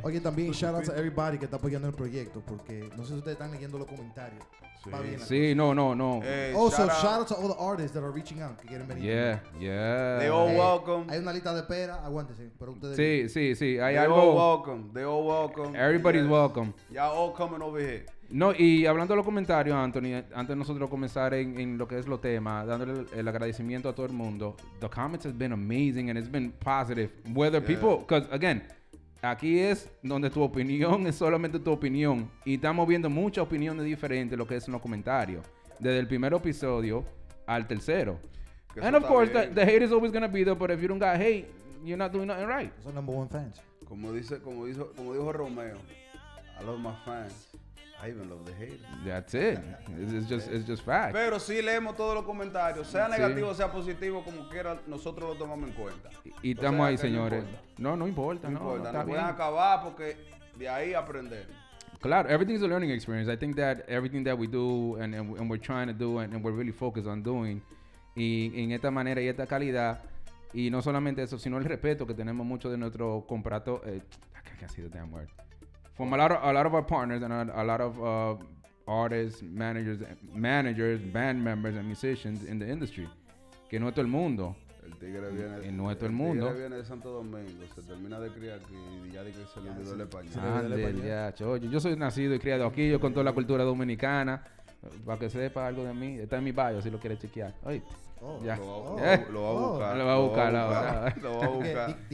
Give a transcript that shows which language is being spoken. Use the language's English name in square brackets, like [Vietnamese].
[Spanish] Oye, también, [English] shout out to everybody [Spanish] que está apoyando el proyecto, porque no sé si ustedes están leyendo los comentarios. Sí, no. [English] Shout out to all the artists that are reaching out, [Spanish] que quieren venir. [English] Yeah, yeah. They all welcome. [Spanish] Hay una lista de espera, aguántense, pero ustedes... Sí. [English] They all welcome. Everybody's welcome. Y'all all coming over here. [Spanish] No, y hablando de los comentarios, Anthony, antes de nosotros comenzar en lo que es lo tema, dándole el agradecimiento a todo el mundo, [English] the comments have been amazing and it's been positive. Because, again, [Spanish] aquí es donde tu opinión es solamente tu opinión. Y estamos viendo muchas opiniones diferentes lo que es en los comentarios. Desde el primer episodio al tercero. [English] And of course, the hate is always going to be there, but if you don't got hate, you're not doing nothing right. Those are number one fans. [Spanish] Como dijo Romeo, [English] I love my fans. I even love the hate. That's it. It's just fact. [Spanish] Pero sí leemos todos los comentarios, sea negativo, sea positivo, como quiera, nosotros lo tomamos en cuenta. Y estamos ahí, señores. No importa. No pueden acabar porque de ahí aprender. [English] Claro, everything is a learning experience. I think that everything that we do and we're trying to do and we're really focused on doing [Spanish] y en esta manera y esta calidad y no solamente eso, sino el respeto que tenemos mucho de nuestro contrato. [English] I can't see the damn word. From a lot of our partners and a lot of artists, managers, band members and musicians in the industry. [Spanish] Que no es todo el mundo. El tigre viene, que no es todo el mundo. Tigre viene de Santo Domingo, se termina de criar aquí y ya de que se le olvidó el español. Yo soy nacido y criado aquí, yo con toda la cultura dominicana. Para que sepa algo de mí, está en mi bio si lo quieres chequear. Oíste. Lo va a buscar.